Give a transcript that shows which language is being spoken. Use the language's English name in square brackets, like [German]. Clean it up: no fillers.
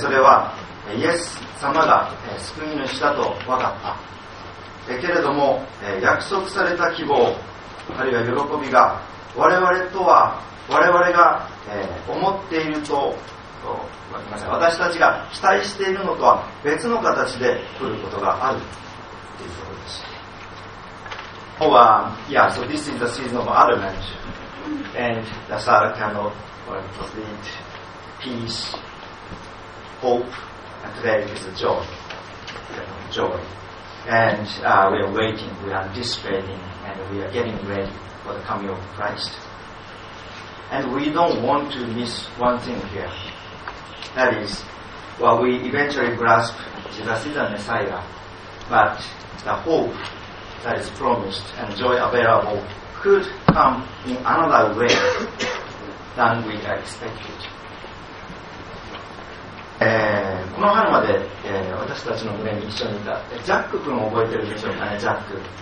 [Japanese] それはイエス様が救い主だと分かった、けれども約束された希望、あるいは喜びが我々とは、我々が思っていると、私たちが期待しているのとは別の形で来ることがあるということです。 [English] Oh, yeah, so this is the season of Advent, and that's our kind of, what is it, peace, hope, and today is a joy, joy. And we are waiting, we are anticipating, and we are getting ready for the coming of Christ. And we don't want to miss one thing here. That is, well, we eventually grasp Jesus is the Messiah, but the hope that is promised and joy available could come in another way than we expected. [Japanese] この春まで、私たちの群れに一緒にいたジャック君を覚えてるでしょうかね、ジャック。